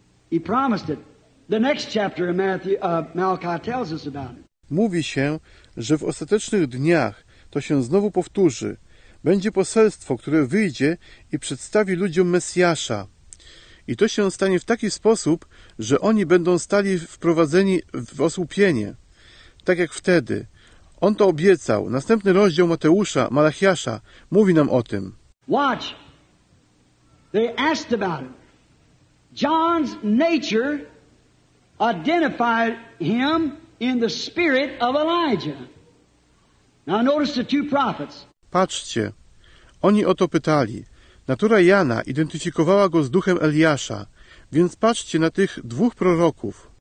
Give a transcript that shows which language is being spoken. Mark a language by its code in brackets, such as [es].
[en] He promised it. The next chapter in Malachi tells us about it. [pl] Mówi się, że w ostatecznych dniach to się znowu powtórzy. Będzie poselstwo, które wyjdzie i przedstawi ludziom Mesjasza. I to się stanie w taki sposób, że oni będą stali wprowadzeni w osłupienie. Tak jak wtedy. On to obiecał. Następny rozdział Mateusza, Malachiasza, mówi nam o tym. [en] Watch. They asked about it. John's nature identified him in the spirit of Elijah. Now notice the two prophets. [pl] Patrzcie. Oni o to pytali. Natura Jana identyfikowała go z duchem Eliasza. Więc patrzcie na tych dwóch proroków.